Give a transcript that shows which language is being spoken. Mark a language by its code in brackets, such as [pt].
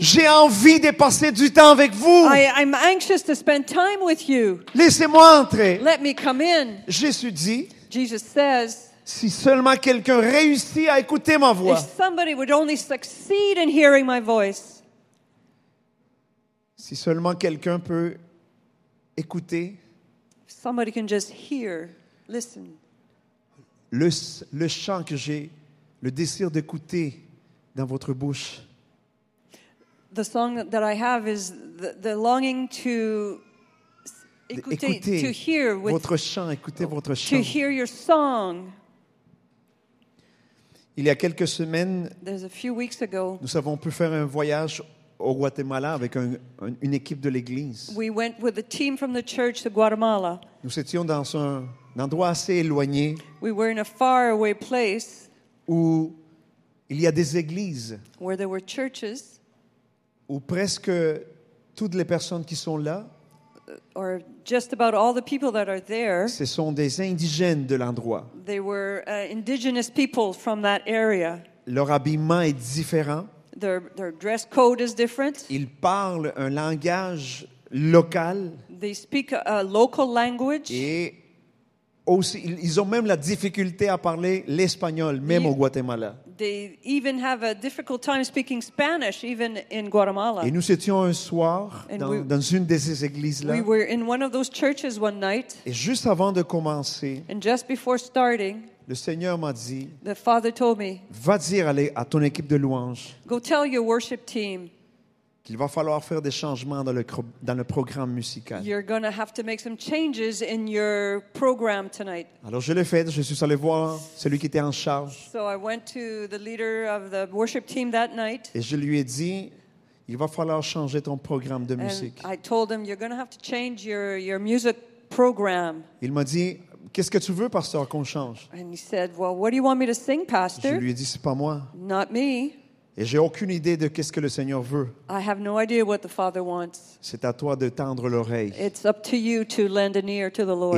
[fr] J'ai envie de passer du temps avec vous. [en] I'm anxious to spend time with you. [fr] Laissez-moi entrer. [en] Let me come in. [fr] Jésus dit. [en] Jesus says. [fr] Si seulement quelqu'un réussit à écouter ma voix. [en] If somebody would only succeed in hearing my voice. [fr] Si seulement quelqu'un peut écouter. [en] Somebody can just hear, listen. [fr] Le chant que j'ai, le désir d'écouter dans votre bouche. [en] The song that I have is the longing to écouter, to hear with, [fr] votre chant, écouter votre chant. [en] To hear your song. [fr] Il y a quelques semaines, [en] there's a few weeks ago, [fr] nous avons pu faire un voyage au Guatemala avec une équipe de l'église. [en] We went with a team from the church to Guatemala. [fr] Nous étions dans un endroit assez éloigné. [en] We were in a far away place. [fr] Où il y a des églises. [en] Where there were churches. [fr] Où presque toutes les personnes qui sont là. [en] Or just about all the people that are there. [fr] Ce sont des indigènes de l'endroit. [en] They were indigenous people from that area. [fr] Leur habillement est différent. [en] Their dress code is different. [fr] Ils parlent un langage local. [en] They speak a local language. [fr] Et aussi, ils ont même la difficulté à parler l'espagnol, même au Guatemala. [en] They even have a difficult time speaking Spanish, even in Guatemala. [fr] Et nous étions un soir dans une de ces églises-là. [en] We were in one of those churches one night. [fr] Et juste avant de commencer, [en] and just before starting, [fr] le Seigneur m'a dit, [en] the Father told me, [fr] va dire à ton équipe de louange, [en] go tell your worship team, [fr] qu'il va falloir faire des changements dans le programme musical. [en] You're going to have to make some changes in your program tonight. [fr] Alors je l'ai fait, je suis allé voir celui qui était en charge. [en] So I went to the leader of the worship team that night. [fr] Et je lui ai dit, il va falloir changer ton programme de musique. [en] And I told him, you're going to have to change your music program. [fr] Il m'a dit, qu'est-ce que tu veux, pasteur, qu'on change? [en] And he said, well, what do you want me to sing, pastor? [fr] Je lui ai dit, c'est pas moi. [en] Not me. [fr] Et j'ai aucune idée de qu'est-ce que le Seigneur veut. [en] I have no idea what the Father wants. [fr] C'est à toi de tendre l'oreille. [en] It's up to you to lend an ear to the Lord.